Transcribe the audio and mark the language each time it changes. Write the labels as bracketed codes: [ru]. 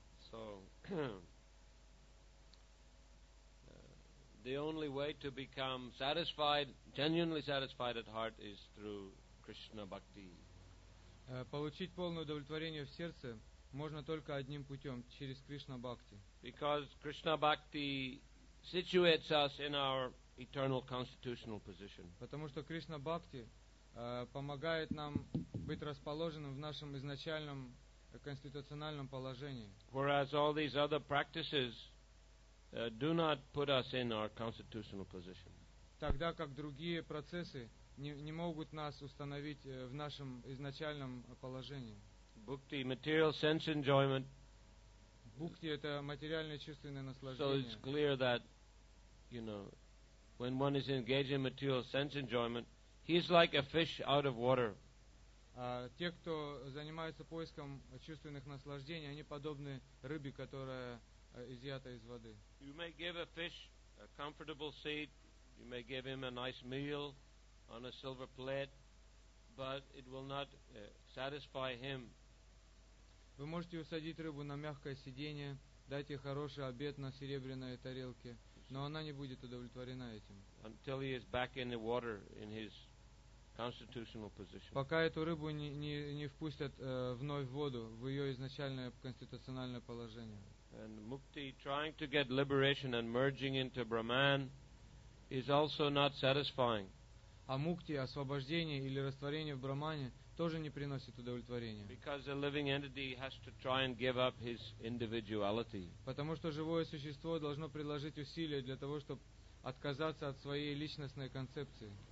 [en] So the only way to become satisfied, genuinely satisfied at heart, is through Krishna Bhakti. [ru] Получить полное удовлетворение в сердце можно только одним путем, через Кришна Бхакти. [en] Because Krishna Bhakti situates us in our eternal constitutional position. [ru] Потому что Кришна Бхакти помогает нам быть расположенным в нашем изначальном конституциональном положении. [en] Whereas all these other practices do not put us in our constitutional position. [ru] Тогда как другие процессы не могут нас установить в нашем изначальном положении. [en] Bhukti, material sense enjoyment. [ru] Bhukti это материальное чувственное наслаждение. [en] So it's clear that, you know, when one is engaged in material sense enjoyment, he's like a fish out of water. [ru] Те, кто занимаются поиском чувственных наслаждений, они подобны рыбе, которая изъята из воды. [en] You may give a fish a comfortable seat, you may give him a nice meal on a silver plate, but it will not satisfy him. [ru] Вы можете усадить рыбу на мягкое сиденье, дать ей хороший обед на серебряной тарелке, но она не будет удовлетворена этим. [en] Until he is back in the water in his constitutional position. [ru] Пока эту рыбу не впустят вновь в воду, в ее изначальное конституциональное положение. [en] And Mukti, trying to get liberation and merging into Brahman, is also not satisfying. [ru] А мукти, освобождение или растворение в Брахмане, тоже не приносит удовлетворения. [en] Because a living entity has to try and give up his individuality. [ru] Потому что живое существо должно приложить усилия для того, чтобы отказаться от своей личностной концепции.